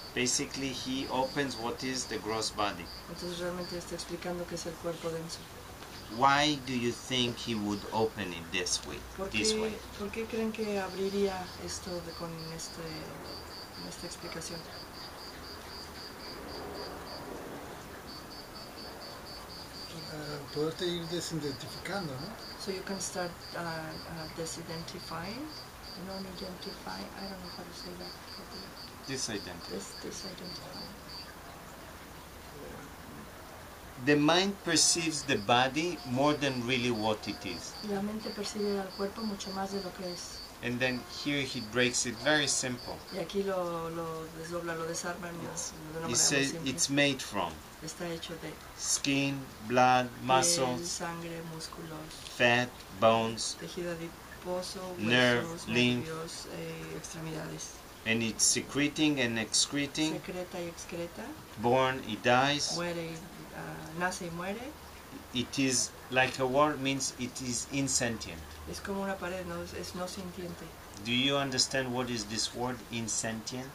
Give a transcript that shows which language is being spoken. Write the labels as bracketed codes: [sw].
[en] Basically, he opens what is the gross body. [es] Entonces, realmente está explicando qué es el cuerpo denso. [en] Why do you think he would open it this way? [es] ¿Por qué creen que abriría esto de, con este, con esta explicación? Poderte ir desidentificando, ¿no? [en] So you can start disidentifying, non-identify, I don't know how to say that. Disidentify. The mind perceives the body more than really what it is. [es] La mente percibe al cuerpo mucho más de lo que es. [en] And then here he breaks it very simple. [es] Y aquí lo desdobla, lo desarma, yes. De una manera simple. [en] He says it's made from. [es] Está hecho de [en] skin, blood, muscles, [es] sangre, músculos, [en] fat, bones, [es] tejido adiposo, [en] nerve, lymph, [es] extremidades. [en] And it's secreting and excreting. [es] Secreta y excreta. [en] Born, it dies. [es] Muere, nace y muere. [en] It is like a wall, means it is insentient. [es] Es como una pared, no, es no sintiente. [en] Do you understand what is this word, insentient?